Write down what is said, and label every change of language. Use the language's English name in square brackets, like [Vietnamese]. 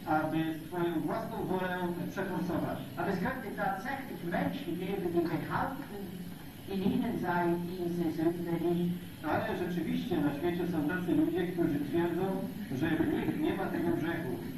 [Polish] aby swoją własną wolę przeforsować. [German] Aber es könnte tatsächlich Menschen geben, die behaupten, in ihnen sei diese Sünde nicht. [Polish] Ale rzeczywiście na świecie są tacy ludzie, którzy twierdzą, że w nich nie ma tego grzechu.